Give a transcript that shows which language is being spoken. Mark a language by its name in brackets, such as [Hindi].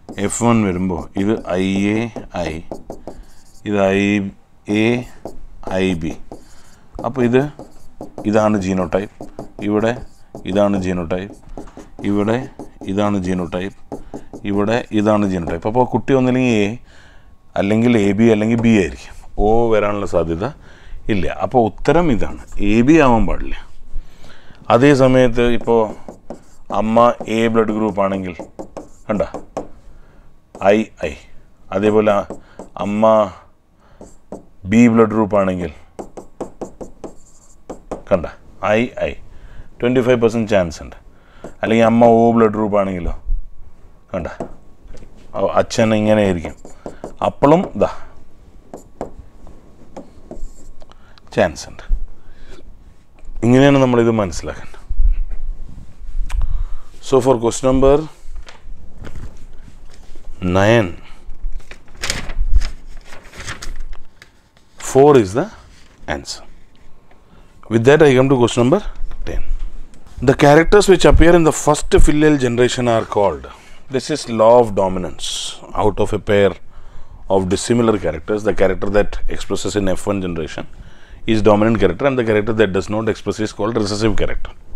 [Malayalam] F1 varumbo idu IA I, idu IA IB, appo idu idana genotype, ivide idana genotype, ഇവിടെ ഇതാണ് genotype, ഇവിടെ ഇതാണ് genotype. അപ്പോൾ കുട്ടി ഒന്നില്ലെങ്കിൽ എ അല്ലെങ്കിൽ AB അല്ലെങ്കിൽ B ആയിരിക്കും. O വരാനുള്ള സാധ്യത ഇല്ല. അപ്പോൾ ഉത്തരം ഇതാണ്, AB ആവാൻ പാടില്ല. അതേസമയത്ത് ഇപ്പോൾ അമ്മ A ബ്ലഡ് ഗ്രൂപ്പ് ആണെങ്കിൽ കണ്ട IA, അതേപോലെ അമ്മ B ബ്ലഡ് ഗ്രൂപ്പ് ആണെങ്കിൽ കണ്ട IA, 25% ചാൻസ് ഉണ്ട്. അല്ലെങ്കിൽ അമ്മ O ബ്ലഡ് ഗ്രൂപ്പ് ആണെങ്കിലോ കണ്ട, അച്ഛൻ ഇങ്ങനെ ആയിരിക്കും, അപ്പോഴും ദാ ചാൻസ് ഉണ്ട്. ഇങ്ങനെയാണ് നമ്മളിത് മനസ്സിലാക്കേണ്ടത്. [English] So for question number 9, 4 is the answer. With that I come to question number 10. The characters which appear in the first filial generation are called, this is law of dominance. Out of a pair of dissimilar characters, the character that expresses in F1 generation is dominant character and the character that does not express is called recessive character.